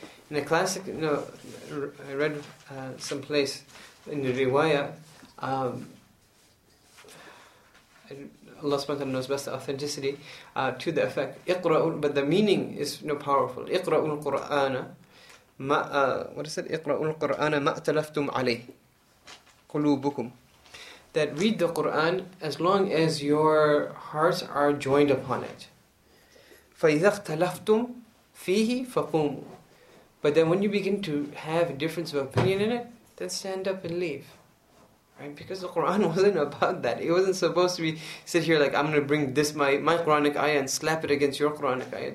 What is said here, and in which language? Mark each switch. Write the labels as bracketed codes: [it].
[en] In a classic, you know, I read someplace in the riwayah, Allah subhanahu wa ta'ala knows best the authenticity, to the effect, اقرأ, but the meaning is, you know, powerful. [ar] اقرأوا القرآن ما, [en] what is it? [ar] اقرأوا القرآن ما اتلفتم عليه قلوبكم. [en] That read the Qur'an as long as your hearts are joined upon it. [ar] فَإِذَا اخْتَلَفْتُمْ فِيهِ فَقُومُ. [en] But then when you begin to have a difference of opinion in it, then stand up and leave. Right? Because the Qur'an wasn't about that. It wasn't supposed to be, sit here like, I'm going to bring this my Qur'anic ayah and slap it against your Qur'anic ayah.